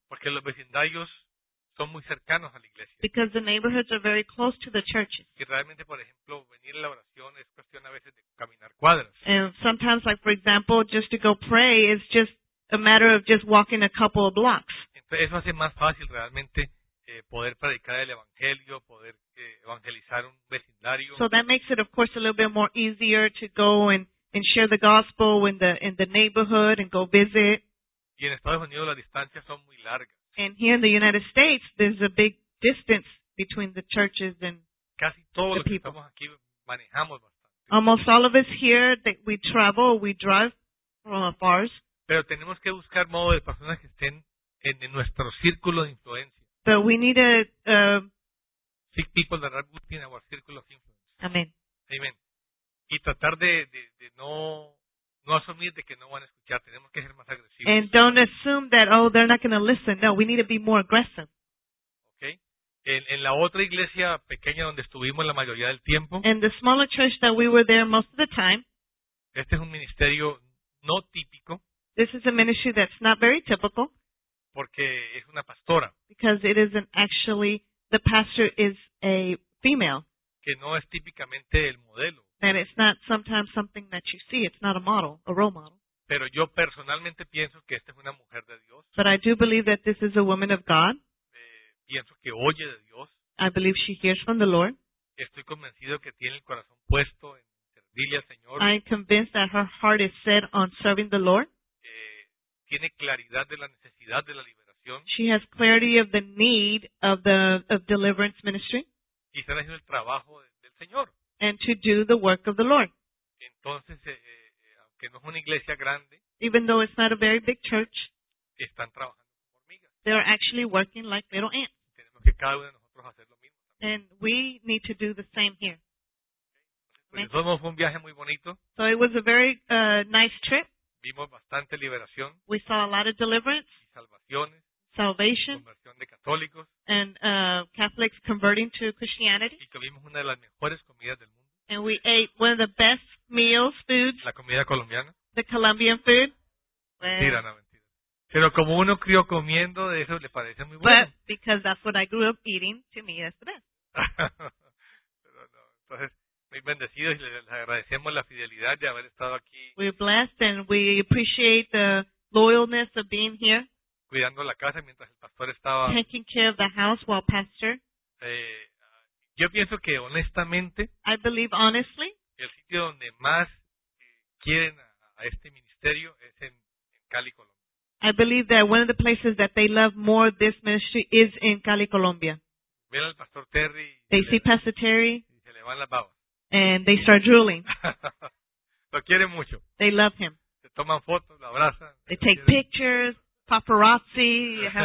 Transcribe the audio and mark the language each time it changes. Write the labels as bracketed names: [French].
[Spanish] Porque los vecindarios son muy cercanos a la iglesia. [English] Because the neighborhoods are very close to the churches. [Spanish] Y realmente, por ejemplo, venir a la oración es cuestión a veces de caminar cuadras. [English] And sometimes, like for example, just to go pray is just a matter of just walking a couple of blocks. [Spanish] Eso hace más fácil realmente poder predicar el evangelio, poder evangelizar un vecindario. [English] So that makes it, of course, a little bit more easier to go and share the gospel in the neighborhood and go visit. [Spanish] Y en Estados Unidos las distancias son muy largas. [English] And here in the United States, there's a big distance between the churches and [Spanish] casi todos [English] the [Spanish] los que [English] people. [Spanish] Estamos aquí manejamos bastante. [English] Almost all of us here, that we travel, we drive from afar. [Spanish] Pero tenemos que buscar modo de personas que estén en nuestro círculo de influencia. [English] So we need to seek people that are good in our circle of influence. Amen. Amen. [Spanish] Y tratar de no asumir de que no van a escuchar. Tenemos que ser más agresivos. [English] And don't assume that, oh, they're not going to listen. No, we need to be more aggressive. Okay. [Spanish] En la otra iglesia pequeña donde estuvimos la mayoría del tiempo. [English] And the smaller church that we were there most of the time. [Spanish] Este es un ministerio no típico. [English] This is a ministry that's not very typical. [Spanish] Porque es una pastora. [English] Because it isn't actually, the pastor is a female. [Spanish] Que no es típicamente el modelo. [English] And it's not sometimes something that you see. It's not a model, a role model. [Spanish] Pero yo personalmente pienso que esta es una mujer de Dios. [English] But I do believe that this is a woman of God. [Spanish] Pienso que oye de Dios. [English] I believe she hears from the Lord. [Spanish] Estoy convencido que tiene el corazón puesto en servirle al Señor. [English] I'm convinced that her heart is set on serving the Lord. [Spanish] Tiene claridad de la necesidad de la liberación. [English] She has clarity of the need of deliverance ministry. [Spanish] Y está haciendo el trabajo del Señor. [English] And to do the work of the Lord. [Spanish] Entonces, que no es una iglesia grande, [English] even though it's not a very big church, [Spanish] están trabajando como hormigas. [English] They are actually working like little ants. [Spanish] Tenemos que cada uno de nosotros hacer lo mismo. [English] And we need to do the same here. [Spanish] Pero fue un viaje muy bonito. [English] So it was a very nice trip. [Spanish] Vimos bastante liberación. [English] We saw a lot of deliverance. [Spanish] Salvaciones. [English] Salvation. [Spanish] Conversión de católicos. [English] And Catholics converting to Christianity. [Spanish] Y comimos una de las mejores comidas del mundo. [English] And we ate one of the best meals, foods. [Spanish] La comida colombiana. [English] The Colombian food. [Spanish] Mentira, no, mentira. Pero como uno crió comiendo, de eso le parece muy bueno. [English] But because that's what I grew up eating, to me, that's the best. [Spanish] Pero no, entonces... Muy bendecidos y les agradecemos la fidelidad de haber estado aquí. [English] We're blessed and we appreciate the loyalness of being here. [Spanish] Cuidando la casa mientras el pastor estaba. [English] Taking care of the house while pastor. [Spanish] Yo pienso que honestamente. [English] I believe honestly. [Spanish] El sitio donde más quieren a este ministerio es en Cali, Colombia. [English] I believe that one of the places that they love more this ministry is in Cali, Colombia. [Spanish] Ven al pastor Terry. [English] They see Pastor Terry. [Spanish] Y se le van las babas. [English] And they start drooling. [Spanish] Lo quieren mucho. [English] They love him. [Spanish] Se toman fotos, lo abrazan. [English] They take pictures, paparazzi.